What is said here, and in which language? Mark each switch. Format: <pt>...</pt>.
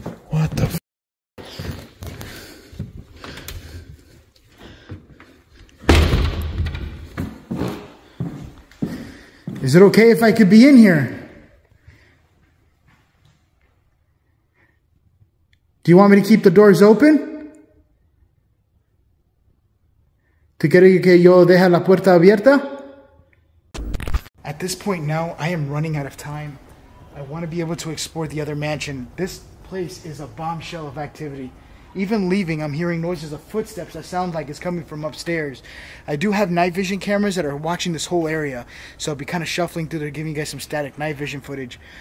<en>What the f- Is it okay if I could be in here? Do you want me to keep the doors open?</en> <es>¿Te quieres que yo deje la puerta abierta?</es> <en>At this point now, I am running out of time. I want to be able to explore the other mansion. This place is a bombshell of activity. Even leaving, I'm hearing noises of footsteps that sound like it's coming from upstairs. I do have night vision cameras that are watching this whole area, so I'll be kind of shuffling through there, giving you guys some static night vision footage.</en>